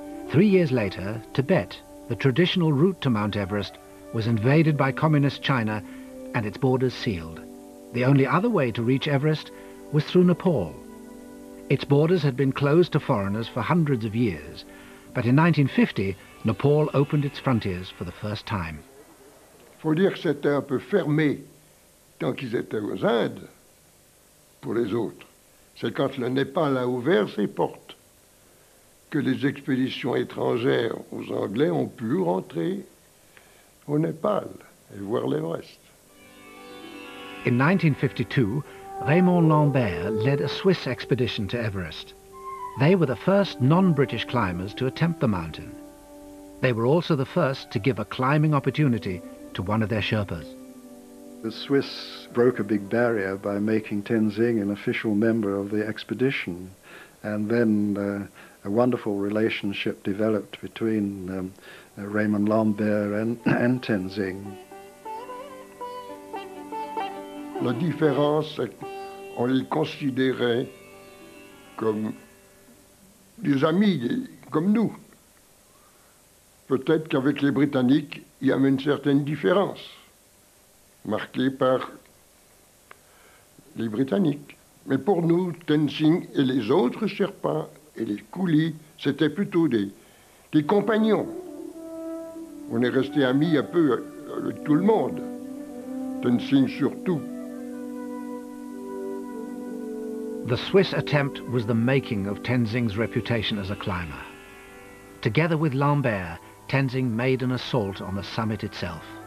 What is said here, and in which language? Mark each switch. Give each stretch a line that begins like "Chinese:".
English: 3 years later, Tibet, the traditional route to Mount Everest, was invaded by communist China and its borders sealed. The only other way to reach Everest was through Nepal. Its borders had been closed to foreigners for hundreds of years, but in 1950, Nepal opened its frontiers for the first time.
French: Faut dire que c'était un peu fermé tant qu'ils étaient aux Indes pour les autres. C'est quand le Népal a ouvert ses portes que les expéditions étrangères aux Anglais ont pu rentrer au Népal et voir l'Everest.
English: In 1952, Raymond Lambert led a Swiss expedition to Everest. They were the first non-British climbers to attempt the mountain. They were also the first to give a climbing opportunity to one of their Sherpas. The Swiss broke a big barrier by making Tenzing an official member of the expedition. And then a wonderful relationship developed between Raymond Lambert and Tenzing.
French: La différence, c'est qu'on les considérait comme des amis, comme nous. Peut-être qu'avec les Britanniques, il y avait une certaine différence, marquée par les Britanniques. Mais pour nous, Tenzing et les autres Sherpas et les coolies, c'était plutôt des compagnons. On est restés amis un peu avec tout le monde, Tenzing surtout.
English: The Swiss attempt was the making of Tenzing's reputation as a climber. Together with Lambert, Tenzing made an assault on the summit itself.